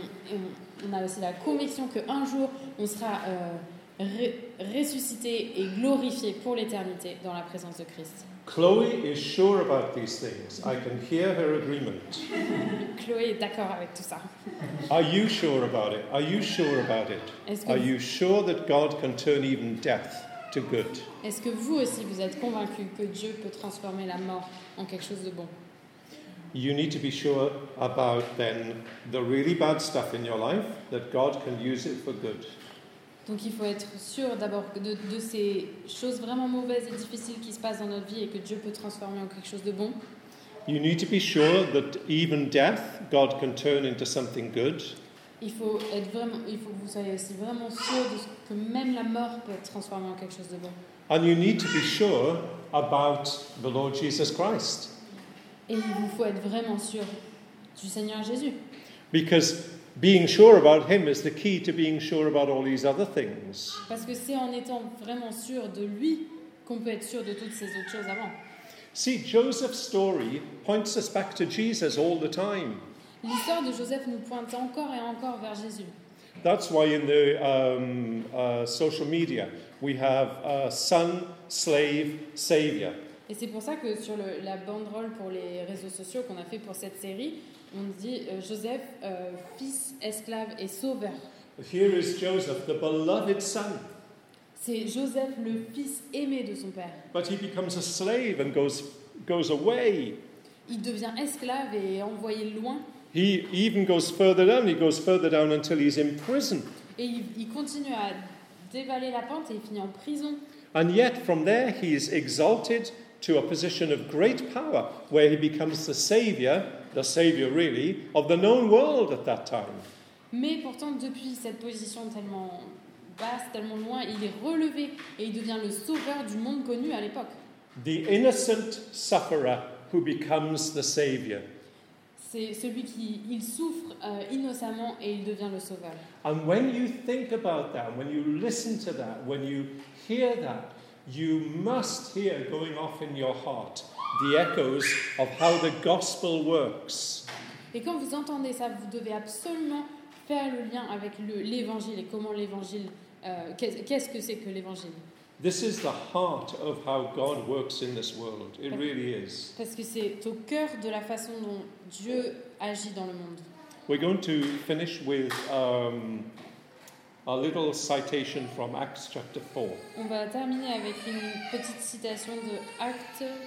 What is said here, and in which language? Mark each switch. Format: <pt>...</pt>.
<fr>Et on a aussi la conviction qu'un jour, on sera ressuscité et glorifié pour l'éternité dans la présence de Christ.</fr> <en>Chloe is sure about these things. I can hear her agreement.</en> <fr>Chloe est d'accord avec tout ça.</fr> <en>Are you sure about it? Are you sure about it? Are you sure that God can turn even death?</en> <fr>Est-ce que vous aussi vous êtes convaincu que Dieu peut transformer la mort en quelque chose de bon?</fr> <en>You need to be sure about then the really bad stuff in your life that God can use it for good.</en> <fr>Donc il faut être sûr d'abord de ces choses vraiment mauvaises et difficiles qui se passent dans notre vie et que Dieu peut transformer en quelque chose de bon.</fr> <en>You need to be sure that even death God can turn into something good.</en> <fr>Il faut que vous soyez aussi vraiment sûr de ce que même la mort peut être transformée en quelque chose de bon.</fr> <en>And you need to be sure about the Lord Jesus Christ.</en> <fr>Et il vous faut être vraiment sûr du Seigneur Jésus.</fr> <en>Because being sure about him is the key to being sure about all these other things.</en> <fr>Parce que c'est en étant vraiment sûr de lui qu'on peut être sûr de toutes ces autres choses avant.</fr> <en>See, Joseph's story points us back to Jesus all the time.</en> <fr>L'histoire de Joseph nous pointe encore et encore vers Jésus.</fr> <en>That's why in the social media we have son, slave, savior.</en> <fr>Et c'est pour ça que sur la banderole pour les réseaux sociaux qu'on a fait pour cette série, on dit Joseph, fils, esclave et sauveur.</fr> <en>Here is Joseph, the beloved son.</en> <fr>C'est Joseph, le fils aimé de son père.</fr> <en>But he becomes a slave and goes away.</en> <fr>Il devient esclave et est envoyé loin.</fr> <en>He even goes further down. He goes further down until he's in prison.</en> <fr>Et il continue à dévaler la pente et il finit en prison.</fr> <en>And yet, from there, he is exalted to a position of great power, where he becomes the savior really, of the known world at that time.</en> <fr>Mais pourtant, depuis cette position tellement basse, tellement loin, il est relevé et il devient le sauveur du monde connu à l'époque.</fr> <en>The innocent sufferer who becomes the savior.</en> <fr>C'est celui qui il souffre innocemment et il devient le sauveur.</fr> <en>And when you think about that, when you listen to that, when you hear that, you must hear going off in your heart the echoes of how the gospel works.</en> <fr>Et quand vous entendez ça, vous devez absolument faire le lien avec l'évangile et comment l'évangile, qu'est-ce que c'est que l'évangile?</fr> <en>This is the heart of how God works in this world. It really is.</en> <fr>Parce que c'est au cœur de la façon dont Dieu agit dans le monde.</fr> <en>We're going to finish with a little citation from Acts chapter 4.</en> <fr>On va terminer avec une petite citation de Actes</fr>